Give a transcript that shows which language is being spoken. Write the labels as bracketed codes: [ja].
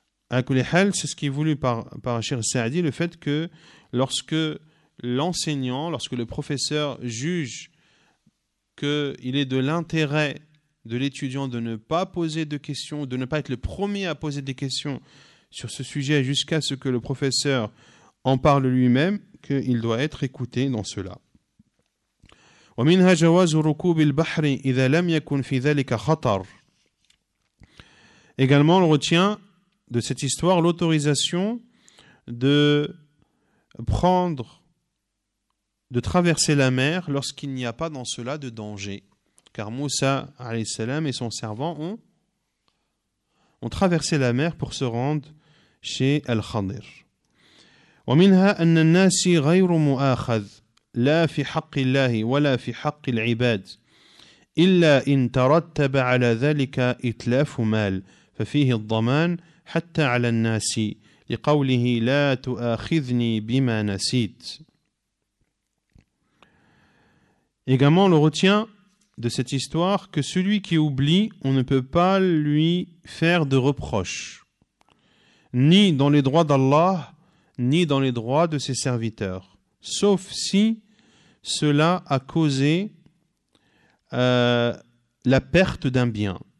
[fr] À Kulihal, c'est ce qui est voulu par Cheikh Saadi, le fait que lorsque l'enseignant, lorsque le professeur juge qu'il est de l'intérêt de l'étudiant de ne pas poser de questions, de ne pas être le premier à poser des questions sur ce sujet jusqu'à ce que le professeur en parle lui-même, qu'il doit être écouté dans cela. [ar] ومنها جواز ركوب البحر إذا لم يكن في ذلك خطر. [fr] Également, on retient de cette histoire l'autorisation de prendre, de traverser la mer lorsqu'il n'y a pas dans cela de danger. Car Moussa alayhi salam et son servant ont traversé la mer pour se rendre chez Al-Khadir. [ar] ومنها أن الناس غير مؤاخذ لا في حق الله ولا في حق العباد إلا إن ترتب على ذلك إتلاف مال ففيه الضمان حتى على الناس لقوله لا تؤاخذني بما نسيت. [fr] Également, on retient de cette histoire que celui qui oublie, on ne peut pas lui faire de reproche, ni dans les droits d'Allah, ni dans les droits de ses serviteurs, sauf si cela a causé la perte d'un bien.